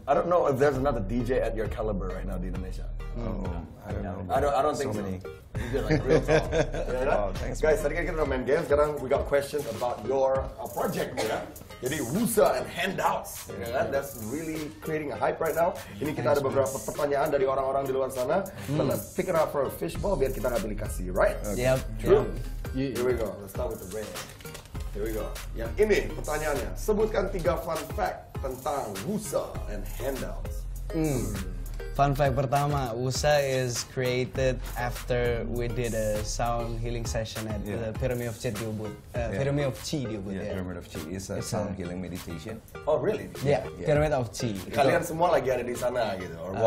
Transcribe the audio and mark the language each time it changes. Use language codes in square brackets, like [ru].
[en] I don't know if there's another DJ at your caliber right now [id] di Indonesia. [en] I don't think so. Many. You did like real talk. Yeah, oh, thanks, guys, [id] tadi kita main game, sekarang [en] we got questions about your project, ya. Jadi Wusa and Handouts, yeah, yeah. That's really creating a hype right now. [id] Ini kita ada beberapa pertanyaan dari orang-orang di luar sana. [en] So let's pick it up for a fishbowl [id] biar kita gak beli kasih, [en] right? Okay. Yep. True? Yeah. Here we go, let's start with the red. Here we go. [id] Yang ini pertanyaannya, sebutkan 3 fun fact tentang Wusa and Handouts. [en] Fun fact pertama, Wusa is created after we did a sound healing session at the Pyramid of Chi di Ubud. Pyramid of Chi di Ubud. Yeah, Pyramid of Chi is a sound healing meditation. Oh really? Yeah. Pyramid of Chi. [id] Kalian semua lagi ada di sana gitu.